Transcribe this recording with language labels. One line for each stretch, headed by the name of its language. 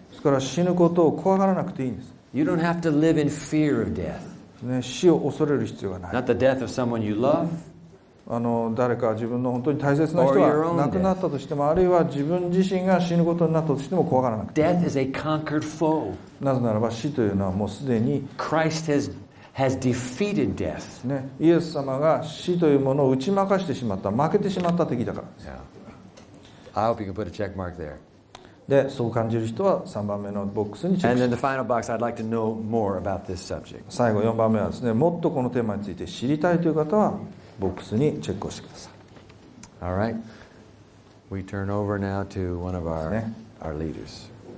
Japanese: ですから死ぬことを怖がらなくていいんです
English: You don't have to live in fear of death、
Japanese: ね、死を恐れる必要がない
English: Not the death of someone you love
Japanese: 誰か自分の本当に大切な人が亡くなったとしてもあるいは自分自身が死ぬことになったとしても怖がらなくて
English: Death is a conquered foe.
Japanese: なぜならば死というのはもうすでに
English: Christ has defeated death.、
Japanese: ね、イエス様が死というものを打ち負かしてしまった負けてしまった敵だから、 yeah.
English: I hope you can put a check mark there.
Japanese: でそう感じる人は3番目のボックスにチェック
English: And then the final box, I'd like to know more about this subject.
Japanese: 最後4番目はですねもっとこのテーマについて知りたいという方はボックスにチェックをしてください。
English: All right. We turn over now to one of our leaders.